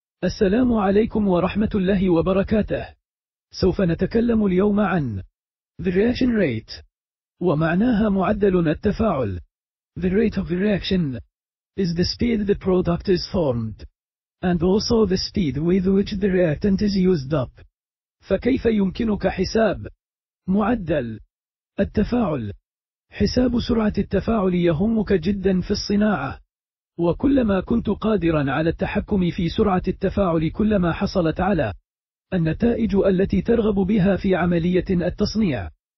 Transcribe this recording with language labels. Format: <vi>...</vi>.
<ar>السلام عليكم ورحمة الله وبركاته. سوف نتكلم اليوم عن</ar> <en>the reaction rate</en> <ar>ومعناها معدل التفاعل.</ar> <en>The rate of the reaction is the speed the product is formed and also the speed with which the reactant is used up.</en> <ar>فكيف يمكنك حساب معدل التفاعل؟ حساب سرعة التفاعل يهمك جدا في الصناعة، وكلما كنت قادرا على التحكم في سرعة التفاعل كلما حصلت على النتائج التي ترغب بها في عملية التصنيع.</ar>